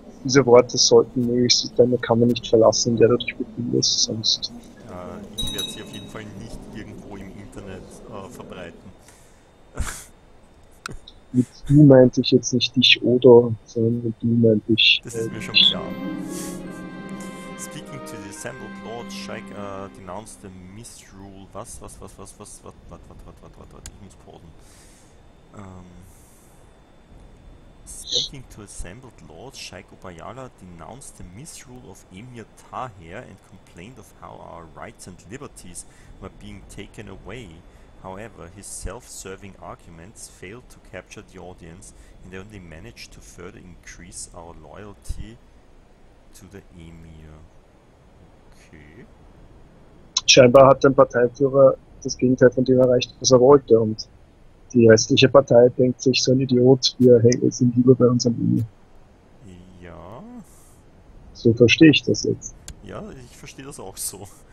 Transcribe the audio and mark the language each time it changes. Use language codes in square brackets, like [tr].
[de] Diese Worte sollten nächstes deine Kammer nicht verlassen, in der du dich befindest, sonst. Ich werde sie auf jeden Fall nicht irgendwo im Internet verbreiten. Mit Du meinte ich jetzt nicht dich oder, sondern mit du meinte ich Das ist mir schon dich. klar. [en] Speaking to the assembled lords, Shaik denounced the misrule. [de] Was? Ich muss pausen. [en] Speaking to assembled lords, Shaik Obayala denounced the misrule of Emir Taher and complained of how our rights and liberties were being taken away. However, his self-serving arguments failed to capture the audience and only managed to further increase our loyalty to the Emir. [de] Okay. Scheinbar hat der Parteiführer das Gegenteil von dem erreicht, was er wollte, und die restliche Partei denkt sich, so ein Idiot, wir hängen jetzt lieber bei unserem Emir. Ja. So verstehe ich das jetzt. Ja, ich verstehe das auch so.